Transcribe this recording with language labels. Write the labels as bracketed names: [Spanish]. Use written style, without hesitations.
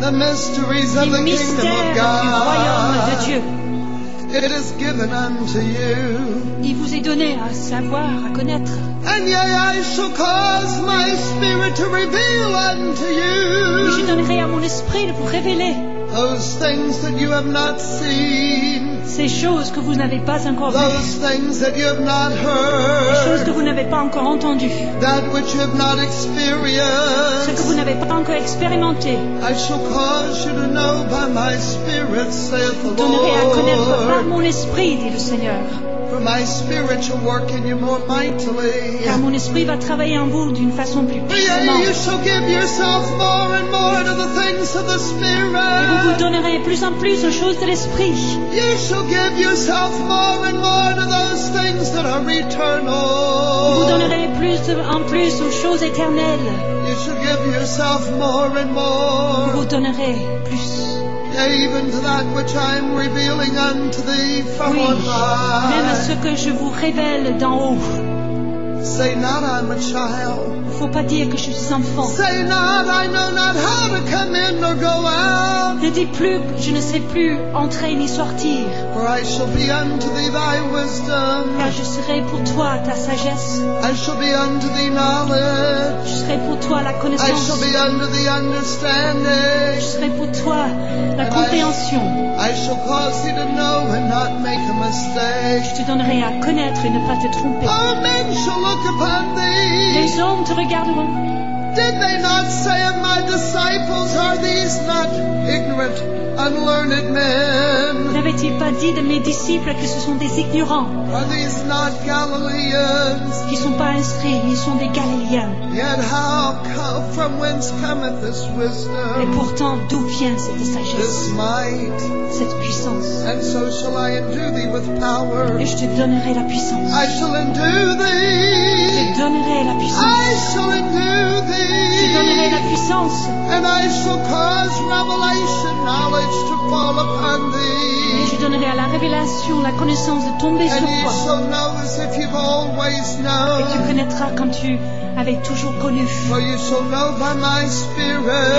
[English] The mysteries of the kingdom of God. [French] Du royaume de Dieu. [English] It is given unto you. [French] Il vous est donné à savoir, à connaître. [English] And yea, I shall cause my spirit to reveal unto you. [French] Et je donnerai à mon esprit de vous révéler. [English] Those things that you have not seen. [French] Ces choses que vous n'avez pas encore [English] those [French] vues. [English] Those things that you have not heard. [French] Les choses que vous n'avez pas encore entendues. [English] That which you have not experienced. [French] Ce que vous n'avez pas encore expérimenté. [English] I shall cause you to know by my spirit, saith the Lord. [French] Je donnerai à connaître par mon esprit, dit le Seigneur. [English] For my spirit shall work in you more mightily. [French] Car mon esprit va travailler en vous d'une façon plus puissante. [English] You shall give yourself more and more to the things of the spirit. [French] Et vous vous donnerez plus en plus aux choses de l'esprit. [English] You shall give yourself more and more to those things that are eternal. [French] Vous donnerez plus en plus aux choses éternelles. [English] You shall give yourself more and more. [French] Vous vous donnerez plus. [English] Even to that which I am revealing unto thee from [French] oui, [English] on high. [French] Même à ce que je vous révèle d'en haut. [English] Say not I'm a child. [French] Faut pas dire que je suis enfant. [English] Say not I know not how to come in or go out. [French] Ne dis plus je ne sais plus entrer ni sortir. [English] For I shall be unto thee thy wisdom. [French] Car je serai pour toi ta sagesse. [English] I shall be unto thee knowledge. [French] Je serai pour toi la connaissance. [English] I shall be unto thee understanding. [French] Je serai pour toi la compréhension. [English] I shall cause thee to know and not make a mistake. [French] Je te donnerai à connaître et ne pas te tromper. [English] All men shall look upon thee. [French] Les hommes te regarderont. [English] Did they not say of my disciples, are these not ignorant, unlearned men? [French] N'avait-il pas dit de mes disciples que ce sont des ignorants? [English] Are these not Galileans? [French] Qui sont pas inscrits, ils sont des Galiléens. [English] Yet how come, from whence cometh this wisdom? [French] Et pourtant, d'où vient cette sagesse? [English] This might. [French] Cette puissance. [English] And so shall I endue thee with power. [French] Et je te donnerai la puissance. [English] I shall endue thee. [French] Je te donnerai la puissance. [English] I shall endue thee. [French] Je donnerai la puissance. [English] And I shall cause revelation knowledge to fall upon thee. [French] Et je donnerai à la révélation la connaissance de tomber [English] and [French] sur toi. [English] Shall know as if you've always known. [French] Et tu connaîtras comme tu avais toujours connu. [English] For you shall know by my spirit.